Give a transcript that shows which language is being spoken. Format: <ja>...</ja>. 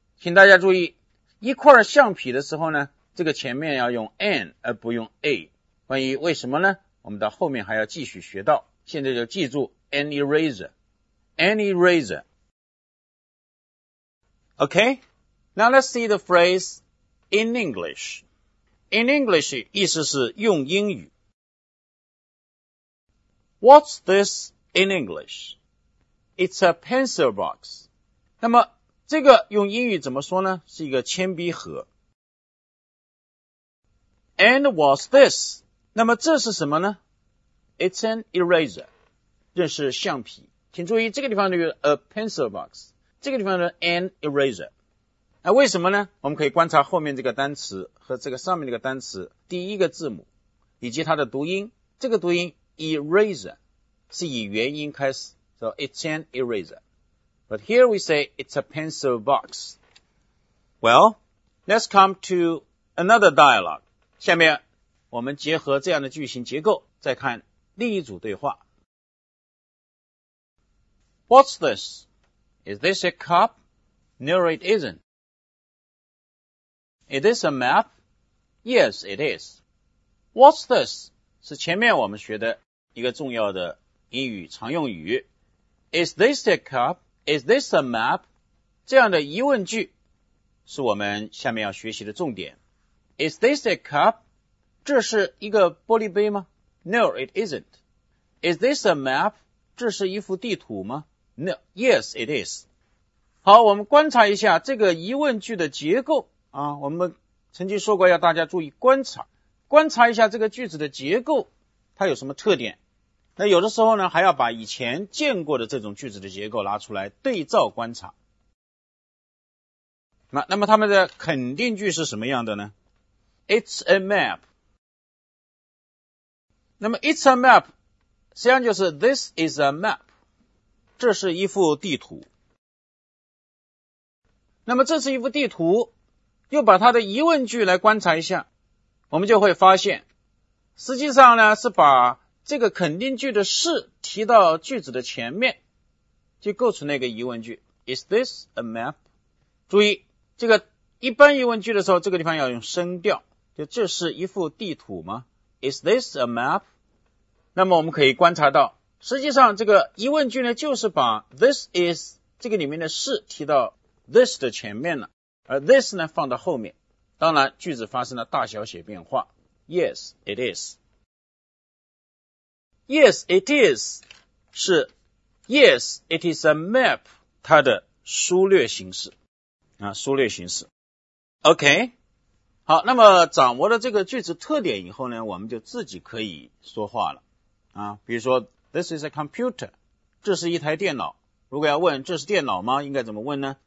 <zh>请大家注意，一块橡皮的时候呢，这个前面要用 N 而不用 A。关于为什么呢？我们到后面还要继续学到。现在就记住</zh> <en>an eraser, an eraser。 Okay, now let's see the phrase in English. In English</en> <zh>意思是用英语。</zh> <en>What's this in English? It's a pencil box.</en> <zh>那么这个用英语怎么说呢？是一个铅笔盒。</zh> <en>And what's this?</en> <zh>那么这是什么呢？</zh> <en>It's an eraser.</en> <zh>这是橡皮。请注意这个地方的</zh> <en>a pencil box.</en> <zh>这个地方呢</zh> <en>an eraser。</en> <zh>那为什么呢？我们可以观察后面这个单词和这个上面这个单词第一个字母以及它的读音。这个读音 eraser 是以元音开始。</zh> <en>So it's an eraser. But here we say it's a pencil box. Well, let's come to another dialogue.</en> <zh>下面我们结合这样的句型结构再看另一组对话。</zh> <en>What's this? Is this a cup? No, it isn't. Is this a map? Yes, it is. What's this?</en> <zh>是前面我们学的一个重要的英语常用语。</zh> <en>Is this a cup? Is this a map?</en> <zh>这样的疑问句是我们下面要学习的重点。</zh> <en>Is this a cup?</en> <zh>这是一个玻璃杯吗？</zh> <en>No, it isn't. Is this a map?</en> <zh>这是一幅地图吗？</zh> <en>No, yes, it is.</en> <zh>好，我们观察一下这个疑问句的结构啊，我们曾经说过要大家注意观察，观察一下这个句子的结构，它有什么特点。那有的时候呢，还要把以前见过的这种句子的结构拿出来对照观察。那么他们的肯定句是什么样的呢？</zh> <en>It's a map.</en> <zh>那么</zh> <en>It's a map</en> <zh>实际上就是</zh> <en>This is a map.</en> <zh>这是一幅地图。那么这是一幅地图，又把它的疑问句来观察一下，我们就会发现实际上呢是把这个肯定句的是提到句子的前面，就构成那个疑问句。</zh> <en>Is this a map?</en> <zh>注意这个一般疑问句的时候，这个地方要用声调，就这是一幅地图吗？</zh> <en>Is this a map?</en> <zh>那么我们可以观察到，实际上这个疑问句呢，就是把 this is 这个里面的是提到 this 的前面了，而 this 呢放到后面，当然句子发生了大小写变化。</zh> <en>Yes, it is. Yes, it is 是 Yes, it is a map</en> <zh>它的疏略形式啊，疏略形式。 OK, 好，那么掌握了这个句子特点以后呢，我们就自己可以说话了啊。比如说</zh> <en>This is a computer,</en> <zh>这是一台电脑。如果要问这是电脑吗，应该怎么问呢？</zh>